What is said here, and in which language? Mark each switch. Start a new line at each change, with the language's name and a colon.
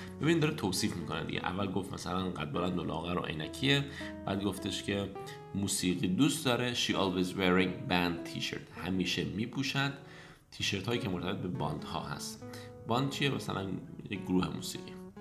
Persian: ببین داره توصیف میکنه دیگه. اول گفت مثلا قد بلند و لاغر و عینکیه. بعد گفتش که موسیقی دوست داره.
English: She always wearing band t-shirt.
Persian: همیشه میپوشد تیشرت هایی که مرتبط به باند ها هست. باند چیه؟ مثلا یک گروه موسیقی.